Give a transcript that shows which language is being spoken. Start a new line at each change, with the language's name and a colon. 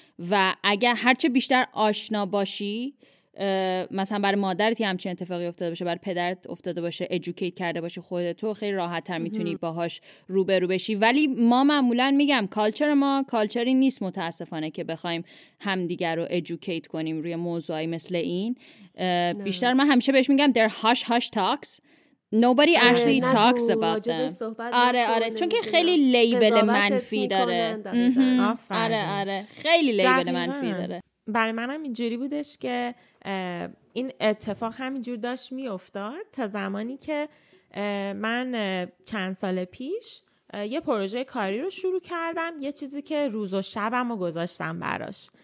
Persian: و اگر هرچه بیشتر آشنا باشی، مثلا برای مادرتی همچین اتفاقی افتاده باشه، برای پدرت افتاده باشه، ادوکیت کرده باشه خودتو، خیلی راحت تر میتونی باهاش روبرو بشی. ولی ما معمولا میگم کالچر ما کالچری نیست متاسفانه که بخوایم همدیگر رو ادوکیت کنیم روی موضوعی مثل این. بیشتر من همیشه بهش میگم
English: there hush hush talks nobody actually talks about them.
Persian: آره آره، چون که خیلی لیبل منفی داره. آره آره، خیلی لیبل منفی داره. برای منم اینجوری بودش که این اتفاق همینجور داشت می افتاد تا زمانی که من چند سال پیش یه پروژه کاری رو شروع کردم، یه چیزی که روز و شبم رو گذاشتم براش.